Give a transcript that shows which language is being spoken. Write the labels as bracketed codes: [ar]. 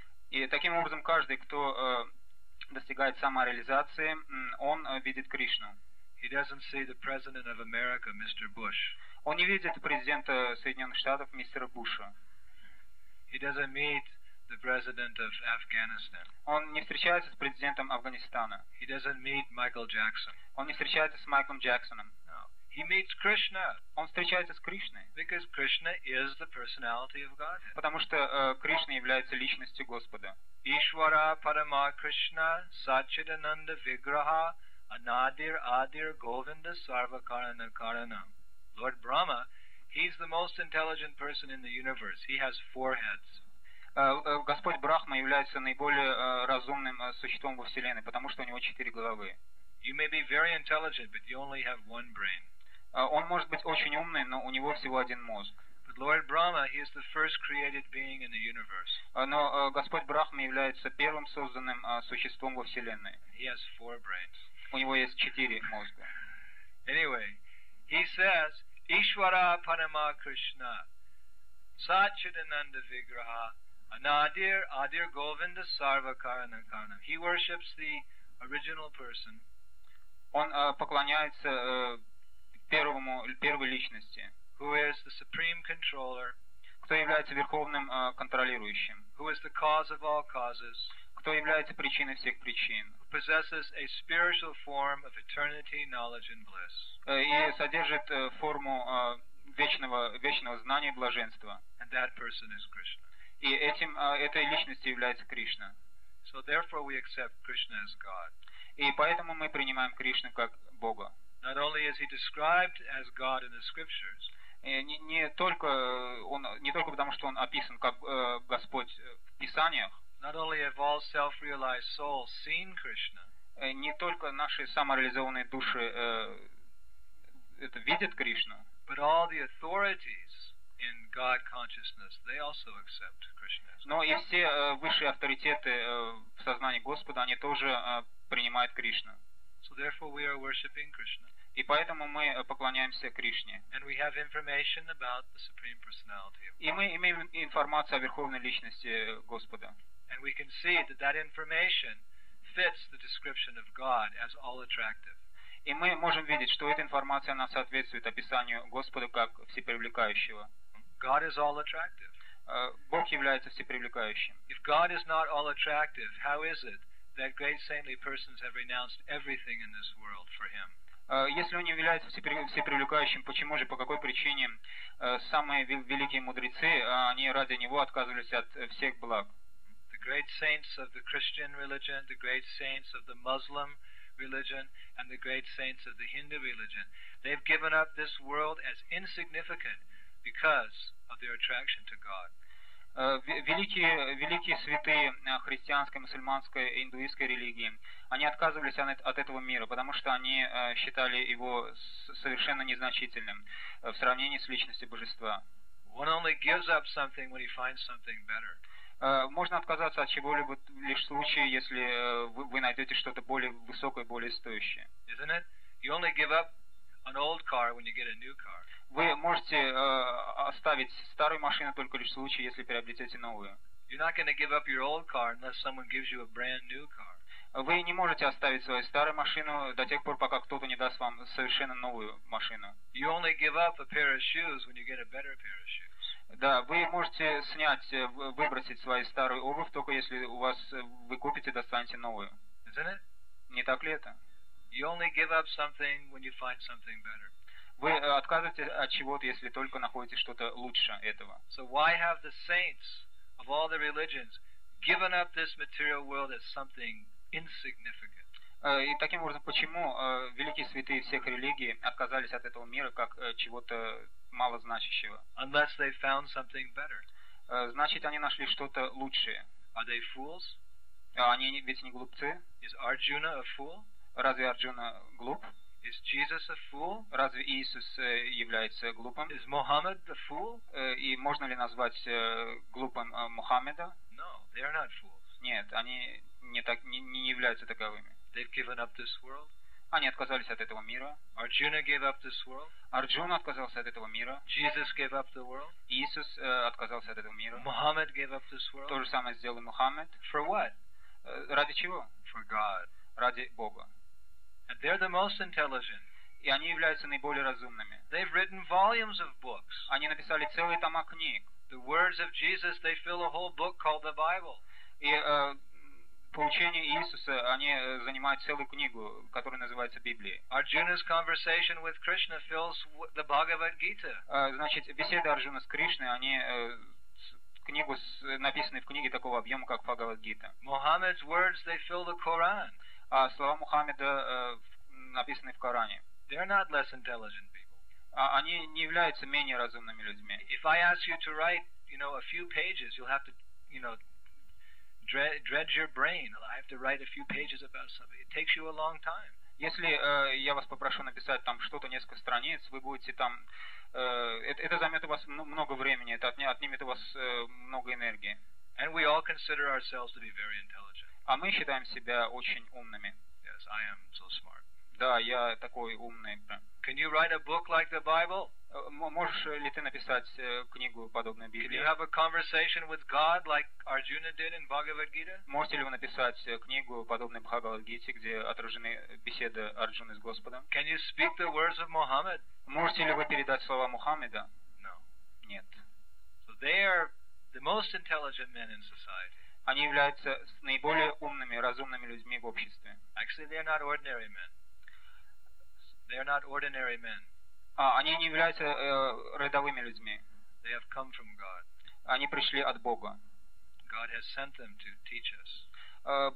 [ru] И таким образом, каждый, кто достигает самореализации, он видит Кришну. [en] He doesn't see the president of America, Mr. Bush. [ru] Он не видит президента Соединенных Штатов мистера Буша. [en] He doesn't meet the president of Afghanistan. [ru] Он не встречается с президентом Афганистана. [en] He doesn't meet Michael Jackson. [ru] Он не встречается с Майклом Джексоном. [en] No. He meets Krishna. [ru] Он встречается с Кришной. [en] Because Krishna is the personality of God. [ru] Потому что Кришна является личностью Господа. [sa] Ишвара Парама Кришна Сачидананда Виграха Анадир Адир Говинда Сарвакарана Карана. [en] Lord Brahma, he's the most intelligent person in the universe. He has four heads. [ru] Господь Брахма является наиболее разумным существом во Вселенной, потому что у него четыре головы. [en] You may be very intelligent, but you only have one brain. [ru] Он может быть очень умный, но у него всего один мозг. [en] But Lord Brahma, he is the first created being in the universe. [ru] Но Господь Брахма является первым созданным существом во Вселенной. [en] He has four brains. [ru] У него есть четыре мозга. [en] Anyway, he says, [sa] Ishvara Parama Krishna, Satchidananda Vigraha, Anadir Adir Govinda Sarvakarana Karanam. [en] He worships the original person. [ru] Он поклоняется первой личности. [en] Who is the supreme controller. [ru] Кто является верховным контролирующим. [en] Who is the cause of all causes. [ru] Кто является причиной всех причин. [en] Possesses a spiritual form of eternity, knowledge, and bliss. [ru] И содержит форму вечного знания и блаженства. [en] And that person is Krishna. [ru] И этим этой личностью является Кришна. [en] So therefore, we accept Krishna as God. [ru] И поэтому мы принимаем Кришну как Бога. [en] Not only is he described as God in the scriptures. [ru] Не только потому, что он описан как Господь в Писаниях. [en] Not only have all self-realized souls seen Krishna. [ru] Не только наши самореализованные души это видят Кришну. [en] But all the authorities in God consciousness, they also accept Krishna. [ru] Но и все высшие авторитеты в сознании Господа, они тоже принимают Кришну. [en] So therefore we are worshiping Krishna. [ru] И поэтому мы поклоняемся Кришне. [en] And we have information about the supreme personality of God. [ru] И мы имеем информацию о верховной личности Господа. [en] And we can see that that information fits the description of God as all attractive. [ru] И мы можем видеть, что эта информация она соответствует описанию Господа как всепривлекающего. [en] God is all attractive. [ru] Бог является всепривлекающим. [en] If God is not all attractive, how is it that great saintly persons have renounced everything in this world for him? [ru] Если он не является всепривлекающим, почему же, по какой причине самые великие мудрецы, они ради него отказывались от всех благ? [en] The great saints of the Christian religion, the great saints of the Muslim religion, and the great saints of the Hindu religion, they've given up this world as insignificant because of their attraction to God. [ru] Великие святые христианской, мусульманской, индуистской религии, они отказывались от этого мира, потому что они считали его совершенно незначительным в сравнении с личностью Божества. [en] One only gives up something when he finds something better. [ru] Можно отказаться от чего-либо лишь в случае, если вы найдете что-то более высокое, более стоящее. [en] Isn't it? You only give up an old car when you get a new car. [ru] Вы можете оставить старую машину только лишь в случае, если приобретете новую. [en] You're not going to give up your old car unless someone gives you a brand new car. [ru] Вы не можете оставить свою старую машину до тех пор, пока кто-то не даст вам совершенно новую машину. [en] You only give up a pair of shoes when you get a better pair of shoes. [ru] Да, вы можете снять, выбросить свою старую обувь только если у вас вы купите, достанете новую. [en] Isn't it? [ru] Не так ли это? [en] You only give up something when you find something better. [ru] Вы отказываете от чего-то, если только находите что-то лучше этого. [en] So why have the saints of all the religions given up this material world as something insignificant? [ru] И таким образом, почему великие святые всех религий отказались от этого мира как чего-то малозначащего? [en] Unless they found something better. [ru] Значит, они нашли что-то лучшее. [en] Are they fools? [ru] Они ведь не глупцы. [en] Is Arjuna a fool? [ru] Разве Арджуна глуп? [en] Is Jesus a fool? [ru] Разве Иисус является глупым? [en] Is Muhammad the fool? [ru] И можно ли назвать глупым Мухаммеда? [en] No, they are not fools. [ru] Нет, они не так не являются таковыми. [en] They've given up this world. [ru] Они отказались от этого мира. [en] Arjuna gave up this world. [ru] Арджуна отказался от этого мира. [en] Jesus gave up the world. [ru] Иисус отказался от этого мира. [en] Muhammad gave up this world. [ru] То же самое сделал Мухаммед. [en] For what? [ru] Ради чего? [en] For God. [ru] Ради Бога. [en] And they're the most intelligent. [ru] И они являются наиболее разумными. [en] They've written volumes of books. [ru] Они написали целые тома книг. [en] The words of Jesus, they fill a whole book called the Bible. [ru] И поучения Иисуса, они занимают целую книгу, которая называется Библией. [en] Arjuna's conversation with Krishna fills the Bhagavad Gita. [ru] Значит, беседы Арджуны с Кришной, они книгу с, написанные в книге такого объема, как Бхагавад Гита. [en] Muhammad's words, they fill the Quran. [ru] А слова Мухаммеда написаны в Коране. [en] They're not less intelligent people. [ru] Они не являются менее разумными людьми. [en] If I ask you to write, you know, a few pages, you'll have to, you know, dredge your brain. I have to write a few pages about something. It takes you a long time. [ru] Если я вас попрошу написать там что-то несколько страниц, вы будете там это займет у вас много времени, это отнимет у вас много энергии. [en] And we all consider ourselves to be very intelligent. [ru] А мы считаем себя очень умными. [en] Yes, I am so smart. [ru] Да, я такой умный. [en] Can you write a book like the Bible? [ru] Можешь ли ты написать книгу подобную Библии? [en] Can you have a conversation with God like Arjuna did in Bhagavad Gita? [ru] Можете ли вы написать книгу подобную Бхагавад Гите, где отражены беседы Арджуны с Господом? [en] Can you speak the words of Muhammad? [ru] Можете ли вы передать слова Мухаммеда? [en] No. [ru] Нет. [en] So they are the most intelligent men in society. [ru] Они являются наиболее умными, разумными людьми в обществе. [en] Actually, they are not ordinary men. They are not ordinary men. [ru] Они не являются рядовыми людьми. [en] They have come from God. [ru] Они пришли от Бога. [en] God has sent them to teach us.